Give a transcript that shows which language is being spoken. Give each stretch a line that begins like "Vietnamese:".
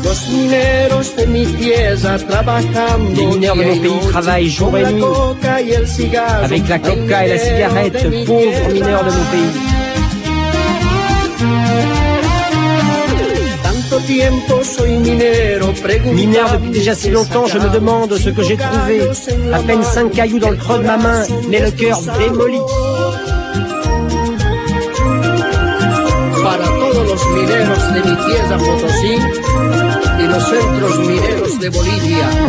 Spanish: Mineros de mi tierra trabajando.
French: Les mineurs de mon pays travaillent jour et nuit avec la coca et la cigarette, pauvres mineurs de mon pays.
Spanish: Tanto tiempo soy minero,
French: mineur depuis déjà si longtemps, je me demande ce que j'ai trouvé. À peine 5 cailloux dans le creux de ma main, mais le cœur démoli.
Spanish: Para todos los mineros de mi tierra Potosí y los centros mineros de Bolivia.